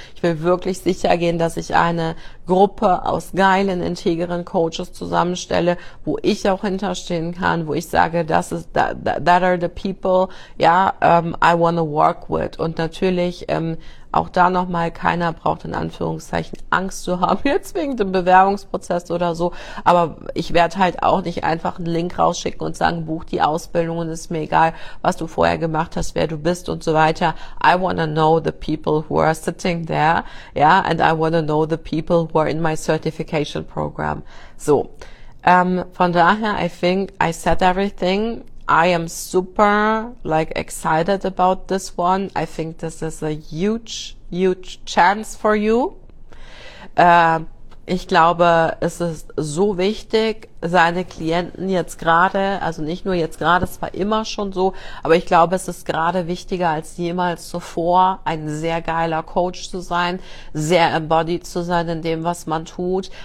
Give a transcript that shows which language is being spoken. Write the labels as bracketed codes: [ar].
[de] Ich will wirklich sicher gehen, dass ich eine Gruppe aus geilen, integeren Coaches zusammenstelle, wo ich auch hinterstehen kann, wo ich sage, das ist [en] that are the people, ja, I wanna work with. [de] Und natürlich auch da nochmal, keiner braucht in Anführungszeichen Angst zu haben, jetzt wegen dem Bewerbungsprozess oder so. Aber ich werde halt auch nicht einfach einen Link rausschicken und sagen, buch die Ausbildung und ist mir egal, was du vorher gemacht hast, wer du bist und so weiter. [en] I wanna know the people who are sitting there. [de] Ja, [en] yeah? And I wanna know the people who are in my certification program. So. [de] Von daher, [en] I think I said everything. I am super like excited about this one. I think this is a huge, huge chance for you. [de] Ich glaube, es ist so wichtig, seine Klienten jetzt gerade, also nicht nur jetzt gerade, es war immer schon so, aber ich glaube, es ist gerade wichtiger als jemals zuvor, ein sehr geiler Coach zu sein, sehr embodied zu sein in dem, was man tut.